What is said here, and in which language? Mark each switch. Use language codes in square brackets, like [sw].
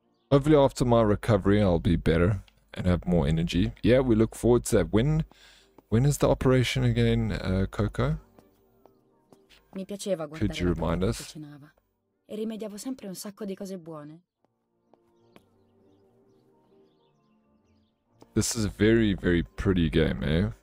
[en] Hopefully after my recovery I'll be better and have more energy. Yeah, we look forward to that. When is the operation again, Coco? [it] Mi piaceva guardare. [en] Could you remind us? [it] E rimediavo sempre un sacco di cose buone. [en] This is a very, very pretty game, eh?